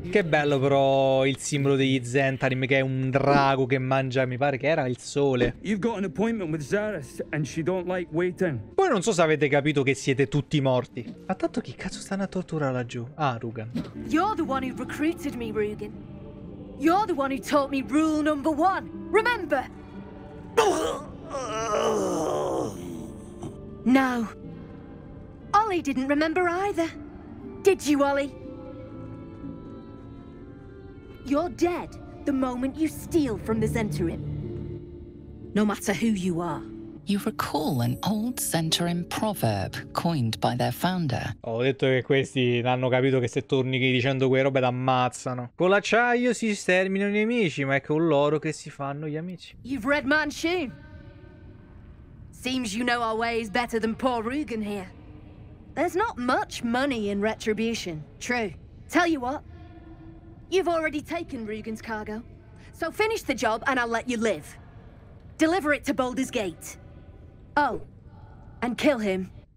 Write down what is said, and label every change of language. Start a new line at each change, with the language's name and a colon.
Italian: Che bello però il simbolo degli Zentarim, che è un drago che mangia, mi pare che era il sole.
English: You've got an appointment with Zaris and she don't like waiting.
Italian: Poi non so se avete capito che siete tutti morti. Ma tanto chi cazzo stanno a torturare laggiù?
English: Ah, Rugen. You're the one who recruited me, Rugen. You're the one who taught me rule number one. Remember? No. Ollie didn't remember either. Did you, Ollie? You're dead the moment you steal from the Zentarim. No matter who you are. You recall an old Zentarim proverb coined by their founder.
Italian: Ho detto che questi hanno capito che se torni dicendo quelle robe ti ammazzano. Con l'acciaio si sterminano i nemici, ma è con loro che si fanno gli amici.
English: You've read Manchu. Seems you know our ways better than poor Rugen here. There's not much money in retribution. True. Tell you what. You've already taken Rugen's cargo. So finish the job and I'll let you live. Deliver it to Baldur's Gate. Oh, and kill him.